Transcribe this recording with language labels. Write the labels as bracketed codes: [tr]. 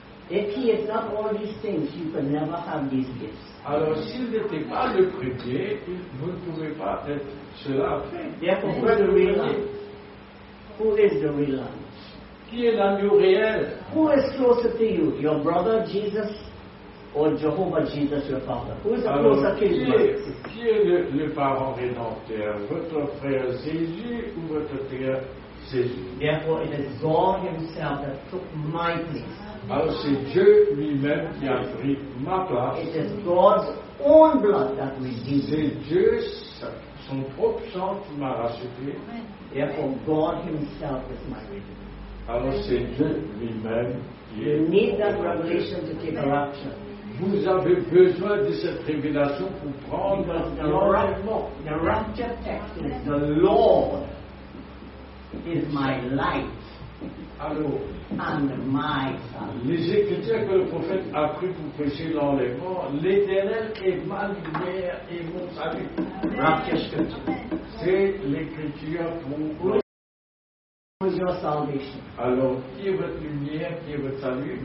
[en] If he is not all these things, you could never have these gifts. [fr] Alors s'il n'était pas le premier, vous ne pouvez pas être cela après. [en] Therefore, who is the real lamb? Who is the real lamb? [fr] Qui est l'agneau réel? [en] Who is closer to you, your brother Jesus or Jehovah Jesus, your father? Who is [fr] Alors, [en] closer to you? [fr] Qui est le parent rédempteur, votre frère Jésus ou votre père Jésus? [en] Therefore, it is God himself that took my place. [fr] Alors c'est Dieu lui-même qui a pris ma place. [en] It is God's own blood that redeems. [fr] C'est Dieu, son propre sang qui m'a racheté. [en] Therefore, God himself is my redeemer. [fr] Alors c'est Dieu lui-même qui est. [en] You need that revelation to take a rapture. [fr] Vous avez besoin de cette révélation pour prendre [en] the rapture text is the Lord is my light. [fr] Alors, [en] and my son. [fr] Les écritures que le prophète a pris pour prêcher dans les morts, l'Éternel est ma lumière et mon salut. [en] Rapture scripture. [fr] C'est l'écriture pour [en] vous. Who is your salvation? [fr] Alors, qui est votre lumière, qui est votre salut?